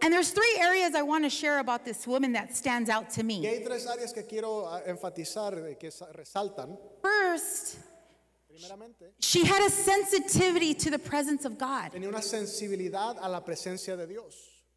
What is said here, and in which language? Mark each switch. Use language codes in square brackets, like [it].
[en] And there's three areas I want to share about this woman that stands out to me. [es] Y hay tres áreas que quiero enfatizar, que resaltan. [en] First, she had a sensitivity to the presence of God. [es] Tenía una sensibilidad a la presencia de Dios.